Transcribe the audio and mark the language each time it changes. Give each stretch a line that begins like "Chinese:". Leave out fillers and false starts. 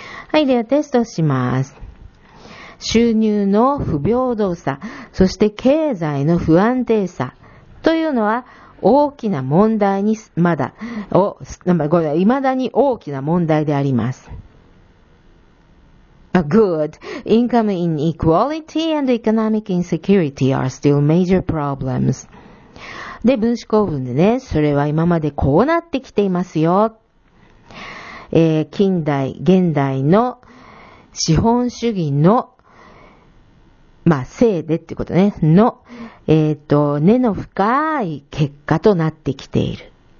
Japanese: はい、ではテストします。収入の不平等さ、そして経済の不安定さというのは大きな問題に、まだ、未だに大きな問題であります。
English: Good. Income inequality and economic insecurity are still major problems.
Japanese: で、分子構文でね、それは今までこうなってきていますよ。近代、現代の資本主義の、まあ、せいでってことね、の、根の深い結果となってきている。